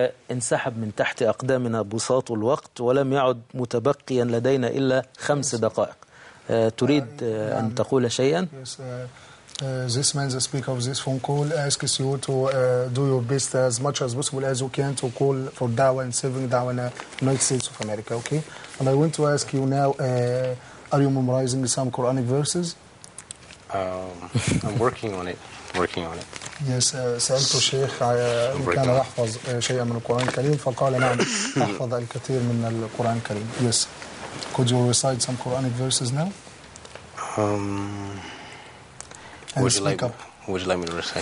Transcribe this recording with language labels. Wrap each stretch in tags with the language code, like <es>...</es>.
<ar>انسحب من تحت أقدامنا بساط الوقت ولم يعد متبقيا لدينا إلا 5 دقائق. تريد أن تقول شيئا؟</ar> <en>This man that speak of this phone call asks you to do your best as much as possible as you can to call for Dawah and saving Dawah in the United States of America, okay? And I want to ask you now, are you memorizing some Quranic verses? I'm working on it. Working on it.</en> <ar>Yes, سألت الشيخ كان يحفظ شيئا من القرآن الكريم فقال نعم أحفظ الكثير من القرآن الكريم.</ar> <en>Yes, could you recite some Quranic verses now? And would you like up. Would you like me to recite</en>